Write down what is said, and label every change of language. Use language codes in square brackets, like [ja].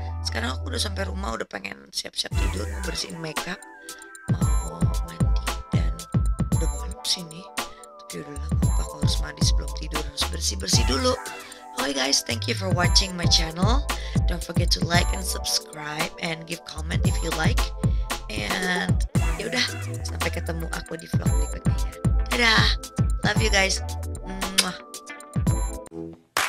[id] Sekarang aku udah sampai rumah, udah pengen siap-siap tidur, bersihin makeup, mau mandi, dan udah malam sini. Tapi udah lah, aku harus mandi sebelum tidur, harus bersih-bersih dulu. [en] Hi guys, thank you for watching my channel. Don't forget to like and subscribe and give comment if you like. [id] And yaudah, sampai ketemu aku di vlog berikutnya. Dadah, [en] love you guys. [id] Mwah.